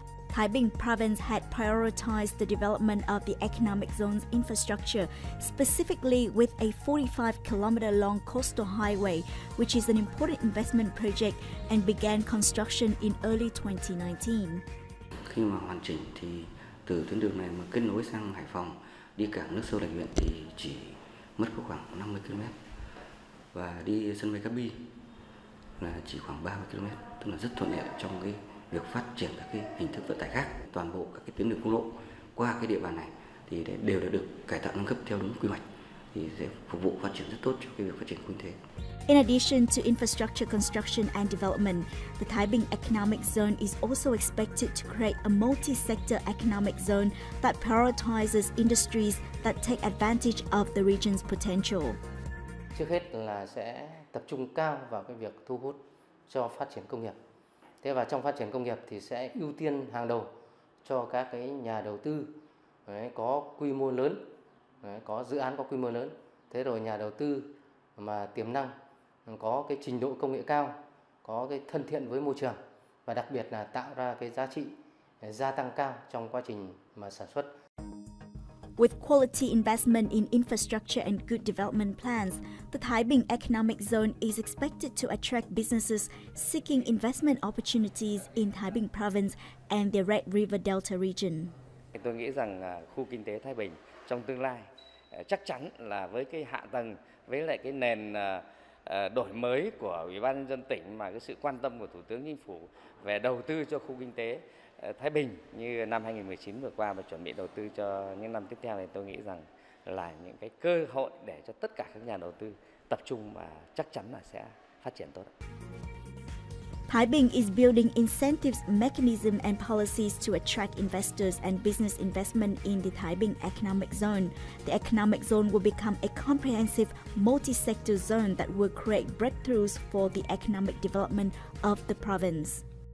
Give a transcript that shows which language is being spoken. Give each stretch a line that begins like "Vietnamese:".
English: Taibing Province had prioritized the development of the Economic Zone's infrastructure, specifically with a 45-kilometer-long coastal highway, which is an important investment project, and began construction in early 2019.
Vietnamese: Khi mà hoàn chỉnh thì từ tuyến đường này mà kết nối sang Hải Phòng đi cảng nước sâu Lạch Huyện thì chỉ mất có khoảng 50 km và đi sân bay Cát Bi là chỉ khoảng 30 km, tức là rất thuận lợi trong cái việc phát triển các cái hình thức vận tải khác. Toàn bộ các cái tuyến đường quốc lộ qua cái địa bàn này thì đều đã được cải tạo nâng cấp theo đúng quy hoạch thì sẽ phục vụ phát triển rất tốt cho cái việc phát triển kinh tế.
English: In addition to infrastructure construction and development, the Taibing Economic Zone is also expected to create a multi-sector economic zone that prioritizes industries that take advantage of the region's potential.
Vietnamese: Trước hết là sẽ tập trung cao vào cái việc thu hút cho phát triển công nghiệp. Thế và trong phát triển công nghiệp thì sẽ ưu tiên hàng đầu cho các cái nhà đầu tư có quy mô lớn, có dự án có quy mô lớn. Thế rồi nhà đầu tư mà tiềm năng, có cái trình độ công nghệ cao, có cái thân thiện với môi trường và đặc biệt là tạo ra cái giá trị gia tăng cao trong quá trình mà sản xuất.
English: With quality investment in infrastructure and good development plans, the Taibing Economic Zone is expected to attract businesses seeking investment opportunities in Taibing Province and the Red River Delta region.
Vietnamese: Tôi nghĩ rằng khu kinh tế Thái Bình trong tương lai chắc chắn là với cái hạ tầng, với lại cái nền đổi mới của Ủy ban nhân dân tỉnh mà cái sự quan tâm của Thủ tướng Chính phủ về đầu tư cho khu kinh tế Thái Bình như năm 2019 vừa qua và chuẩn bị đầu tư cho những năm tiếp theo thì tôi nghĩ rằng là những cái cơ hội để cho tất cả các nhà đầu tư tập trung và chắc chắn là sẽ phát triển tốt.
English: Taibing is building incentives, mechanisms and policies to attract investors and business investment in the Taibing Economic Zone. The Economic Zone will become a comprehensive multi-sector zone that will create breakthroughs for the economic development of the province.